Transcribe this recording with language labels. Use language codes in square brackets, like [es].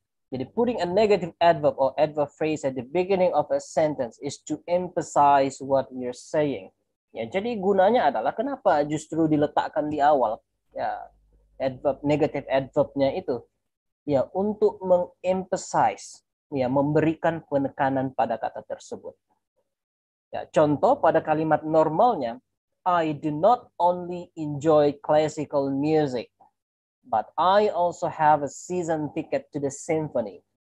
[id] Jadi, [en] putting a negative adverb or adverb phrase at the beginning of a sentence is to emphasize what you're saying. [id] Ya, jadi gunanya adalah kenapa justru diletakkan di awal ya adverb negative adverbnya itu ya untuk mengemphasize ya memberikan penekanan pada kata tersebut. Ya, contoh pada kalimat normalnya [en] I do not only enjoy classical music but I also have a season ticket to the symphony.